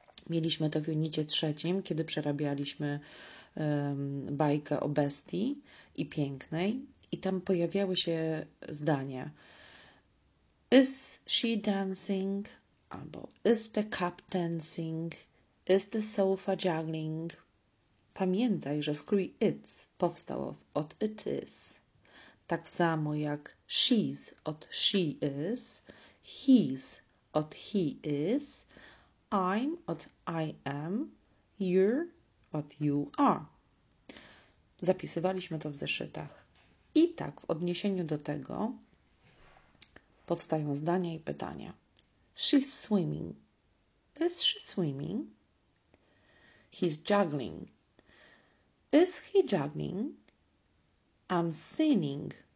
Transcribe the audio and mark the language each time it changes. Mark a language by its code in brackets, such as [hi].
[pl] Mieliśmy to w unicie trzecim, kiedy przerabialiśmy bajkę o bestii i pięknej, i tam pojawiały się zdania. [en] Is she dancing? Albo is the cup dancing? Is the sofa juggling? [pl] Pamiętaj, że skrój it's powstał od it is. Tak samo jak she's od she is, he's od he is, I'm od I am, you're od you are. Zapisywaliśmy to w zeszytach. I tak w odniesieniu do tego powstają zdania i pytania. [en] She's swimming. Is she swimming? He's juggling. Is he juggling? I'm singing.